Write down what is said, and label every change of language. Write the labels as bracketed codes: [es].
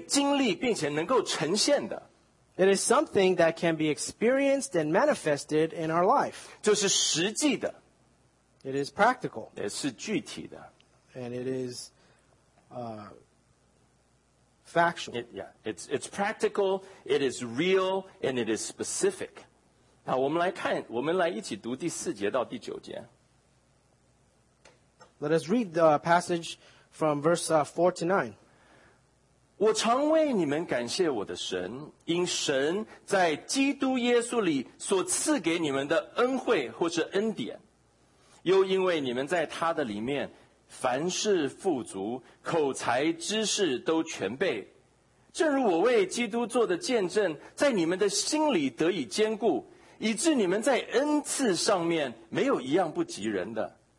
[zh] 这是一个能够在生活里面、在生命当中是可以经历并且能够呈现的。 [en] It is something that can be experienced and manifested in our life. [zh] 就是实际的。 [en] It is practical. [zh] 也是具体的。 [en] And it is factual. It's practical, it is real, and it is specific. [zh] 好,我们来看,我们来一起读第四节到第九节。 [en] Let us read the passage from verse 4 to 9. [zh] 我常为你们感谢我的神,因神在基督耶稣里所赐给你们的恩惠或是恩典,又因为你们在他的里面,凡事富足,口才知识都全备,正如我为基督做的见证,在你们的心里得以坚固,以致你们在恩赐上面没有一样不及人的。